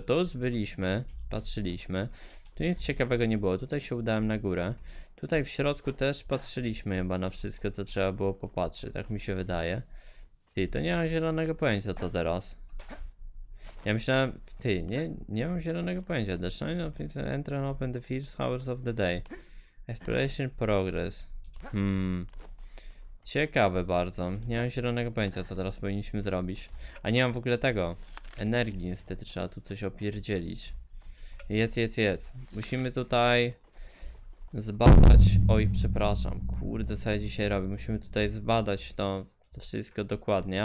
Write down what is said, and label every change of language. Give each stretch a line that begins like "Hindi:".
Polish: To już byliśmy, patrzyliśmy. Tu nic ciekawego nie było, tutaj się udałem na górę. Tutaj w środku też patrzyliśmy chyba na wszystko, co trzeba było popatrzeć. Tak mi się wydaje. Ty, to nie mam zielonego pojęcia, co teraz. Ja myślałem... Ty, nie mam zielonego pojęcia.
English: The shine of the entrance opened the first hours of the day. Exploration progress.
Polish: Ciekawe bardzo. Nie mam zielonego pojęcia, co teraz powinniśmy zrobić. A nie mam w ogóle tego. Energii niestety, trzeba tu coś opierdzielić. Jedz, jedz, jedz. Musimy tutaj zbadać. Oj, przepraszam. Kurde, co ja dzisiaj robię. Musimy tutaj zbadać to wszystko dokładnie.